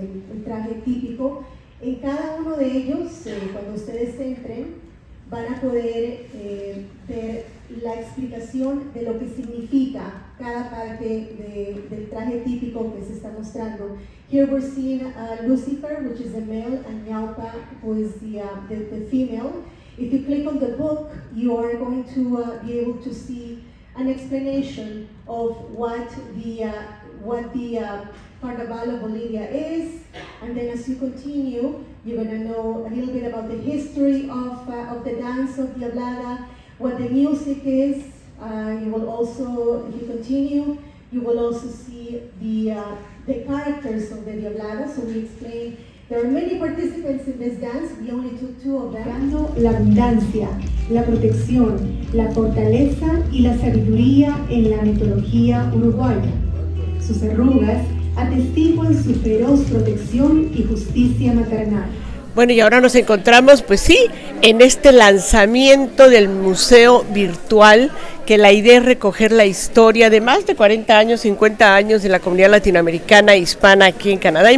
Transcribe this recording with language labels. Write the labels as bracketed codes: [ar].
[es] El traje típico en cada uno de ellos, cuando ustedes entren, van a poder ver la explicación de lo que significa cada parte del traje típico que se está mostrando. [en] Here we're seeing Lucifer, which is a male, and Ñaupa, who is the female. If you click on the book, you are going to be able to see an explanation of what the Carnaval of Bolivia is, and then as you continue, you're going to know a little bit about the history of the dance of Diablada, what the music is. You will also, if you continue, you will also see the characters of the Diablada. So we explain, there are many participants in this dance, we only took two of them. [es] Dando la abundancia, la protección, la fortaleza y la sabiduría en la mitología uruguaya. Sus arrugas atestiguan su feroz protección y justicia maternal. Bueno, y ahora nos encontramos, pues sí, en este lanzamiento del museo virtual, que la idea es recoger la historia de más de 40 años, 50 años de la comunidad latinoamericana e hispana aquí en Canadá.